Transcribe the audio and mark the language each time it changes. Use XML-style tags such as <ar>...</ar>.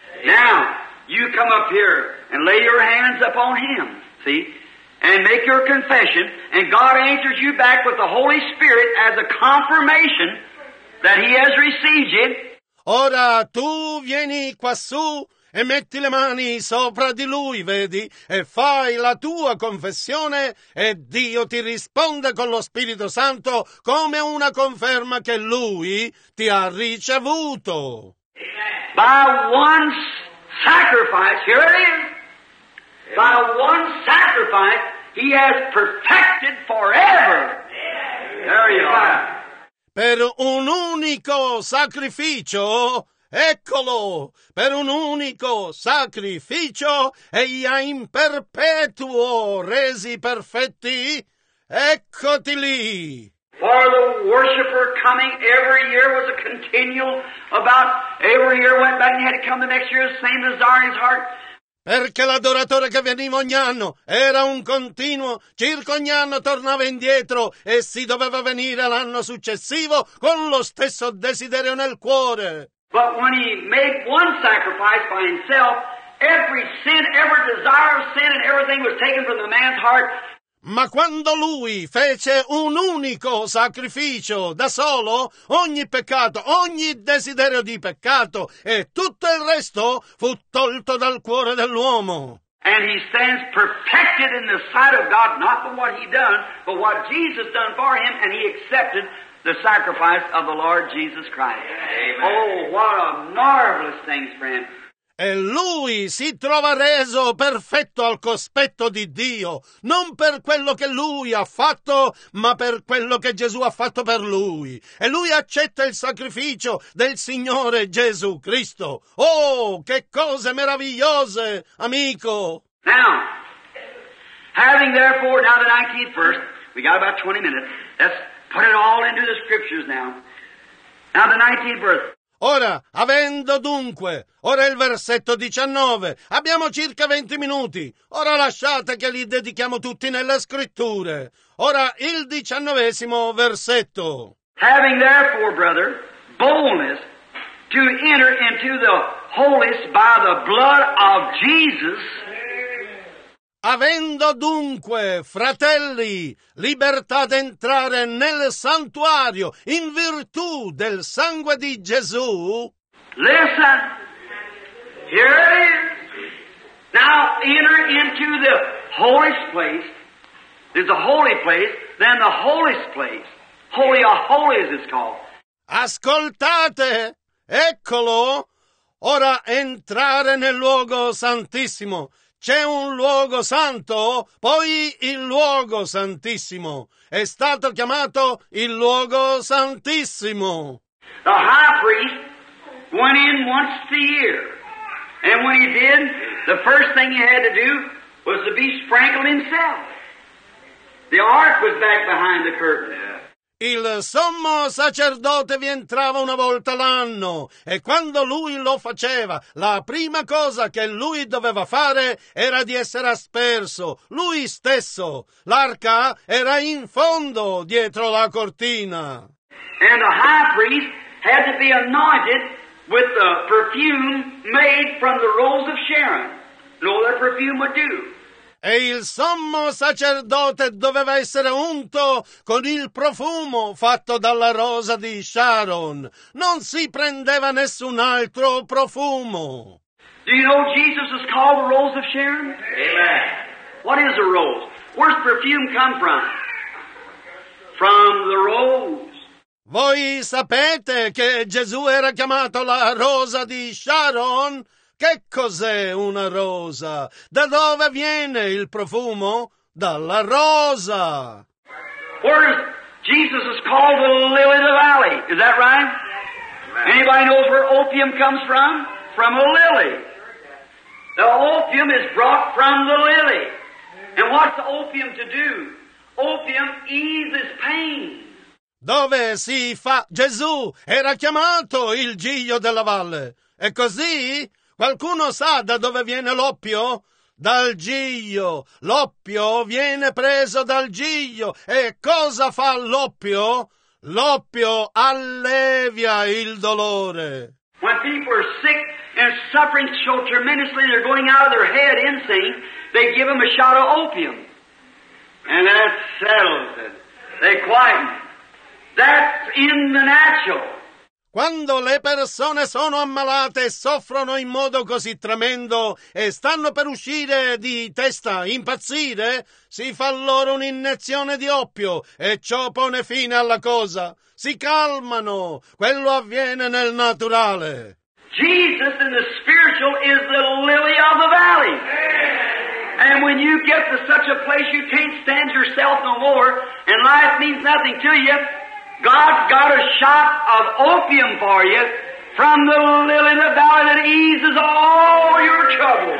<en>Now, you come up here and lay your hands upon him, see, and make your confession, and God answers you back with the Holy Spirit as a confirmation that he has received you.</en> <it>Ora tu vieni quassù e metti le mani sopra di lui, vedi, e fai la tua confessione e Dio ti risponde con lo Spirito Santo come una conferma che lui ti ha ricevuto.</it> <en>By one sacrifice, here it is, by one sacrifice he has perfected forever. There you are.</en> <it>Per un unico sacrificio, eccolo, per un unico sacrificio, egli ha in perpetuo resi perfetti, eccoti lì.</it> <en>For the worshipper coming every year was a continual about, every year went back and had to come the next year, the same desire in his heart.</en> <it>Perché l'adoratore che veniva ogni anno era un continuo, circa ogni anno tornava indietro e si doveva venire l'anno successivo con lo stesso desiderio nel cuore.</it> <en>But when he made one sacrifice by himself, every sin, every desire of sin and everything was taken from the man's heart.</en> <it>Ma quando lui fece un unico sacrificio da solo, ogni peccato, ogni desiderio di peccato e tutto il resto fu tolto dal cuore dell'uomo.</it> <en>And he stands perfected in the sight of God, not for what he done, but what Jesus done for him, and he accepted the sacrifice of the Lord Jesus Christ. Amen. Oh, what a marvelous thing, friend.</en> <it>E lui si trova reso perfetto al cospetto di Dio, non per quello che lui ha fatto, ma per quello che Gesù ha fatto per lui. E lui accetta il sacrificio del Signore Gesù Cristo. Oh, che cose meravigliose, amico!</it> <en>Now, having therefore, now that I keep first, we got about 20 minutes, let's put it all into the scriptures now. Now the 19th verse.</en> <it>Ora, avendo dunque, ora il versetto 19, abbiamo circa 20 minuti, ora lasciate che li dedichiamo tutti nelle scritture. Ora, il 19 versetto.</it> <en>Having therefore, brother, boldness to enter into the holiest by the blood of Jesus.</en> <it>Avendo dunque, fratelli, libertà d'entrare nel santuario in virtù del sangue di Gesù.</it> <en>Listen, here it is. Now enter into the holiest place. There's a holy place, then the holiest place. Holy of holies is called.</en> <it>Ascoltate, eccolo, ora entrare nel luogo santissimo. C'è un luogo santo, poi il luogo santissimo. È stato chiamato il luogo santissimo.</it> <en>The high priest went in once a year. And when he did, the first thing he had to do was to be sprinkled himself. The ark was back behind the curtain.</en> <it>Il sommo sacerdote vi entrava una volta l'anno e quando lui lo faceva, la prima cosa che lui doveva fare era di essere asperso, lui stesso. L'arca era in fondo dietro la cortina.</it> <en>And the high priest had to be anointed with the perfume made from the rose of Sharon. No other perfume would do.</en> <it>E il sommo sacerdote doveva essere unto con il profumo fatto dalla rosa di Sharon. Non si prendeva nessun altro profumo.</it> <en>Do you know Jesus is called the rose of Sharon? Amen. What is a rose? Where's perfume come from? From the rose.</en> <it>Voi sapete che Gesù era chiamato la rosa di Sharon? Che cos'è una rosa? Da dove viene il profumo? Dalla rosa.</it> <en>Where is Jesus is called the lily of the valley? Is that right? Anybody knows where opium comes from? From a lily. The opium is brought from the lily. And what's the opium to do? Opium eases pain.</en> <it>dove si fa Gesù era chiamato il Giglio della Valle. E così? Qualcuno sa da dove viene l'oppio? Dal Giglio. L'oppio viene preso dal Giglio. E cosa fa l'oppio? L'oppio allevia il dolore.</it> <en>When people are sick and suffering so tremendously, they're going out of their head insane, they give them a shot of opium. And that settles it. They quieten. That's in the natural.</en> <it>Quando le persone sono ammalate e soffrono in modo così tremendo e stanno per uscire di testa, impazzire, si fa loro un'iniezione di oppio e ciò pone fine alla cosa. Si calmano. Quello avviene nel naturale.</it> <en>Jesus in the spiritual is the lily of the valley. And when you get to such a place you can't stand yourself no more and life means nothing to you, God's got a shot of opium for you from the lily of the valley that eases all your troubles.</en>